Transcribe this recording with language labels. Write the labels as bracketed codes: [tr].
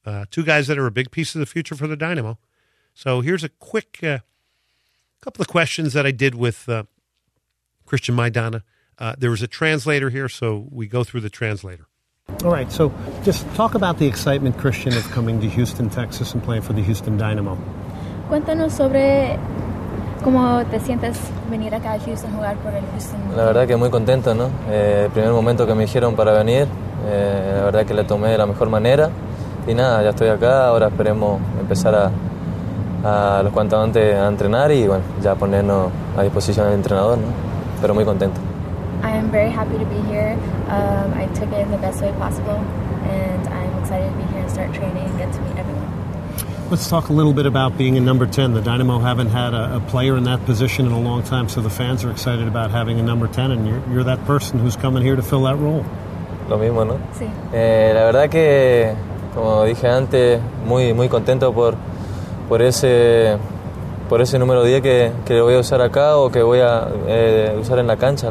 [en] Two guys that are a big piece of the future for the Dynamo. So here's a quick couple of questions that I did with Christian Maidana. There was a translator here, so we go through the translator. All right, so just talk about the excitement, Christian, of coming to Houston, Texas, and playing for the Houston Dynamo. [es] Cuéntanos sobre cómo te sientes venir acá a Houston, jugar por el Houston. La verdad que muy contento, ¿no? El primer momento que me dijeron para venir, la verdad que le tomé de la mejor manera. Y nada, ya estoy acá, ahora esperemos empezar a los cuantos antes a entrenar y bueno, ya ponernos a disposición del entrenador, ¿no? Pero muy contento. [en] I am very happy to be here. I took it in the best way possible and I'm excited to be here and start training and get to meet everyone. Let's talk a little bit about being a number 10. The Dynamo haven't had a player in that position in a long time, so the fans are excited about having a number 10 and you're that person who's coming here to fill that role. [es] Lo mismo, ¿no? Sí. La verdad que... Como dije antes, muy contento por ese número 10 que voy a usar acá o que voy a usar en la cancha.